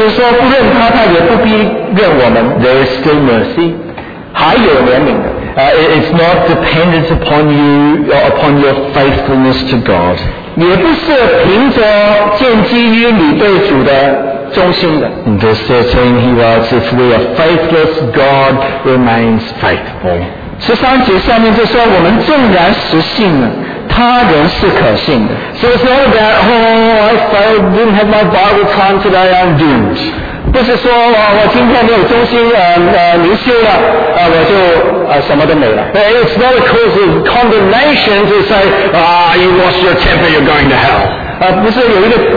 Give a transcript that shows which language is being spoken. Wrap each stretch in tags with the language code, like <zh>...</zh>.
<zh>就是在这个很严肃的事情说不认他，他也不必认我们。</zh> <en>There is still mercy.</en> <zh>还有怜悯的。</zh> <en>It's not dependent upon you, upon your faithfulness to God.</en> <zh>也不是凭着建基于你对主的。</zh> <en>In verse 13, he writes, if we are faithless, God remains faithful.</en> <zh>13节下面就说我们纵然失信了，他仍是可信的。</zh> <en>So it's not about, oh, I didn't have my Bible time today, I'm doomed.</en> <zh>不是说我今天没有忠心，灵修了，我就什么都没了。</zh> <en>It's not a cause of condemnation to say, you lost your temper, you're going to hell.</en>